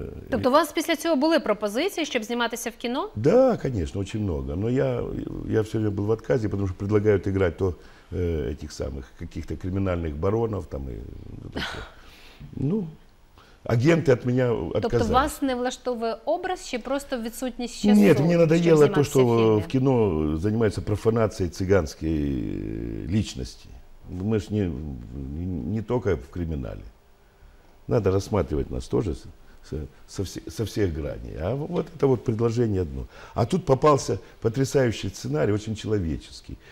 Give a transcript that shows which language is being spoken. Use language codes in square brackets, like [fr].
[uk] Тобто у вас після цього були пропозиції, щоб зніматися в кіно? [ru] Да, конечно, очень много. Но я все время был в отказе, потому что предлагают играть то этих самых каких-то криминальных баронов там и такое. Ну, агенты от меня отказались. [uk] Тобто вас не влаштовує образ, чи просто відсутність часу? [ru] Нет, мне надоело то, что в кино занимаются профанацией цыганской личности. Мы ж не только в криминале. Надо рассматривать нас тоже. Со всех граней. А вот это вот предложение одно. А тут попался потрясающий сценарий, очень человеческий.